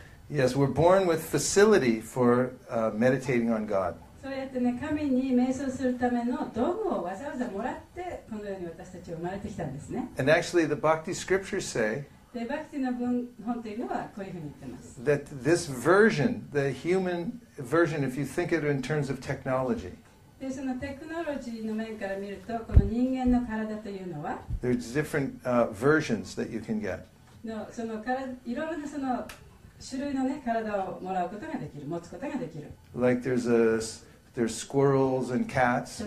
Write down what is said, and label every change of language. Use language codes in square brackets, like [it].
[en] Yes, we're born with facility for meditating on God. [ja] そうやってね、神に瞑想するための道具をわざわざもらって、このように私たちは生まれてきたんですね。 [en] And actually, the Bhakti scriptures say, [ja] で、バクティの文本というのはこういうふうに言ってます。 [en] That this version, the human version, if you think it in terms of technology, [ja] で、そのテクノロジーの面から見ると、この人間の体というのは、 [en] There's different versions that you can get. [ja] の、その体、いろいろなその、種類のね、体をもらうことができる、持つことができる。 [en] Like there's squirrels and cats.